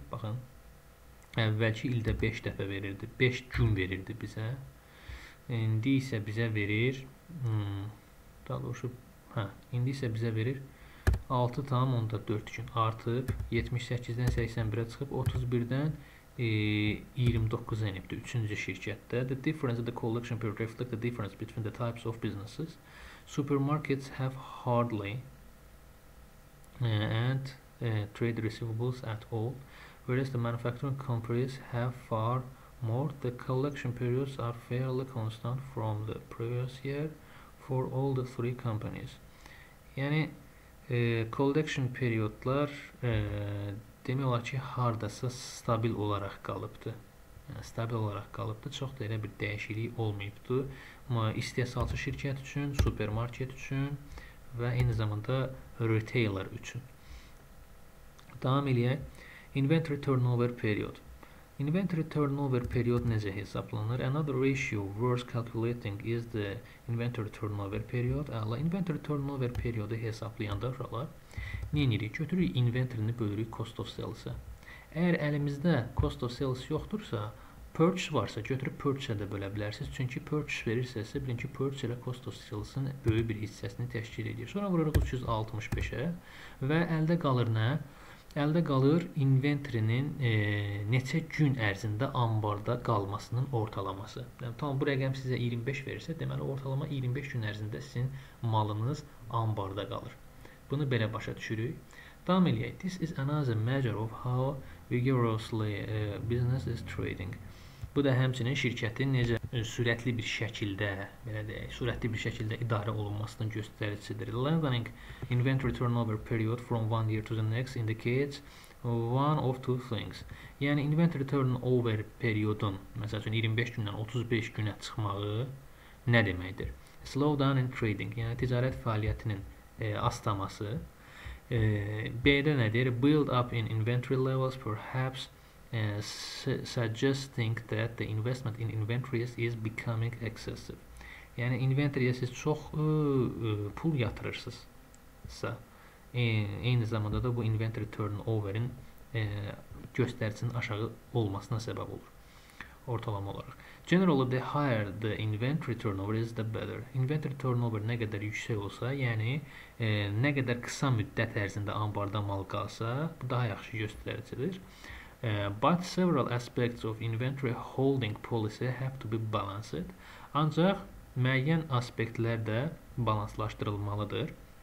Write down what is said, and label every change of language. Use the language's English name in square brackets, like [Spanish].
[Azerbaijani] Baxın, əvvəlki ildə 5 dəfə verirdi, 5 gün verirdi bizə. İndi isə bizə verir, daha doğrusu, indi isə bizə verir 6 tam 4 gün artıb, 78-dən 81-ə çıxıb, 31-dən 29 enibdir 3-cü şirkətdə. [English] The difference in the collection period reflects the difference between the types of businesses. Supermarkets have hardly and trade receivables at all, whereas the manufacturing companies have far more. The collection periods are fairly constant from the previous year for all the three companies. [Azerbaijani] Yəni collection periodlar demək olar ki, hardasa stabil olaraq qalıbdır. stabil olarak kalıbdır. Çox da elə bir dəyişiklik olmayıbdır. Amma istehsalçı şirkət üçün, supermarket üçün və eyni zamanda retailer üçün. Devam edək. Inventory turnover period. Inventory turnover period necə hesablanır? [English] Another ratio worth calculating is the inventory turnover period. [Azerbaijani] Əla, inventory turnover periodu hesablayanda uşaqlar nəyiniriz? Götürürük inventory-ni bölürük cost of sales-a. Əgər əlimizdə cost of sales yoxdursa, purchase varsa götürüb purchase-ə də bölə bilərsiniz. Çünki purchase verirsə isə bilin ki, purchase ilə cost of sales-ın böyük bir hissəsini təşkil edir. Sonra vururuq 365-ə və əldə qalır nə? Əldə qalır inventorinin neçə gün ərzində ambarda qalmasının ortalaması. Yəni, tamam, bu rəqəm sizə 25 verirsə, deməli ortalama 25 gün ərzində sizin malınız ambarda qalır. Bunu belə başa düşürük. Devam edək. [English] This is another measure of how vigorously business is trading. [Azerbaijani] Bu da həmçinin şirkətin necə sürətli bir şəkildə, belə deyək, sürətli bir şəkildə idarə olunmasının göstəricisidir. [English] Lengthening inventory turnover period from one year to the next indicates one of two things. [Azerbaijani] Yəni inventory turnover periodun, məsəl üçün 25 gündən 35 günə çıxmağı nə deməkdir? [English] Slowdown in trading, [Azerbaijani] yəni ticarət fəaliyyətinin astaması. B-də nə deyir? [English] Build up in inventory levels perhaps suggesting that the investment in inventories is becoming excessive. [Azerbaijani] Yəni inventoryə siz çox pul yatırırsınızsa, eyni zamanda da bu inventory turnover-in göstəricinin aşağı olmasına səbəb olur. Ortalama olaraq. [English] Generally the higher the inventory turnover is the better. [Azerbaijani] Inventory turnover nə qədər yüksək olsa, yəni nə qədər qısa müddət ərzində ambarda mal qalsa, bu daha yaxşı göstəricidir. [English] But several aspects of inventory holding policy have to be balanced. [Azerbaijani] Ancaq müəyyən aspektlər də balanslaşdırılmalıdır.